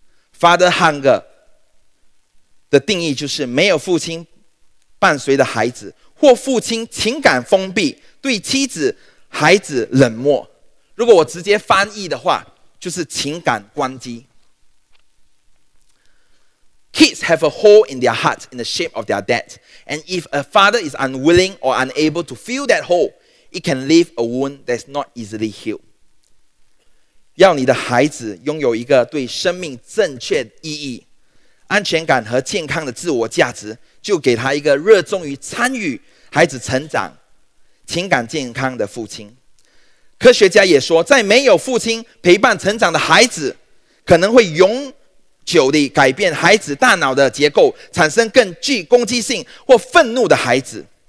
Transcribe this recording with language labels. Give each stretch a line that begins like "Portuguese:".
Chinese: Father hunger 的定义就是没有父亲伴随的孩子，或父亲情感封闭，对妻子孩子冷漠。如果我直接翻译的话，就是情感关机。
English: Kids have a hole in their heart in the shape of their dad, and if a father is unwilling or unable to fill that holeIt can leave a wound that's not easily healed.
Chinese: 要你的孩子拥有一个对生命正确意义、安全感和健康的自我价值，就给他一个热衷于参与孩子成长、情感健康的父亲。科学家也说，在没有父亲陪伴成长的孩子，可能会永久地改变孩子大脑的结构，产生更具攻击性或愤怒的孩子。